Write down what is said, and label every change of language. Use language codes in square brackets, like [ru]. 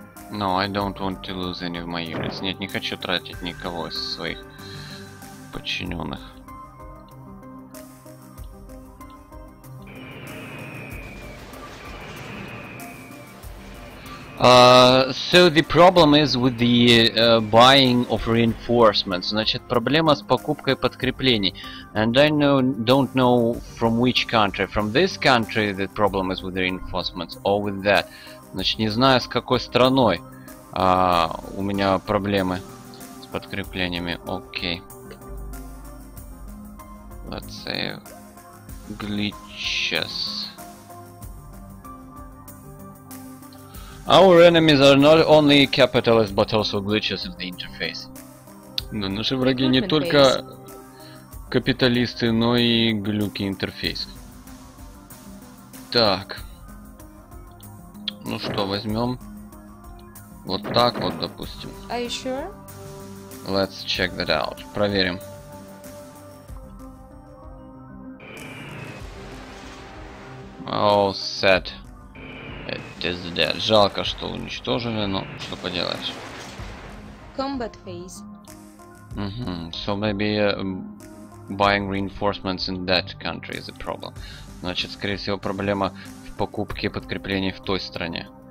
[en] No, I don't want to lose any of my units. [ru] Нет, не хочу тратить никого из своих подчиненных. [en] So the problem is with the buying of reinforcements. [ru] Значит, проблема с покупкой подкреплений. [en] And I don't know from which country. From this country the problem is with reinforcements or with that. [ru] Значит, не знаю, с какой страной у меня проблемы с подкреплениями. Окей. [en] Let's say glitches. Our enemies are not only capitalists, but also glitches in the interface. [ru] Но наши враги не только капиталисты, но и глюки интерфейса. Так. Ну что, возьмем вот так вот, допустим. [en] Are you sure? Let's check that out. [ru] Проверим. [en] Oh, set. [ru] Жалко, что уничтожили, но что поделать. [en] Combat phase. Mm-hmm. So maybe buying reinforcements in that country is a problem. [ru] Значит, скорее всего, проблема в покупке подкреплений в той стране.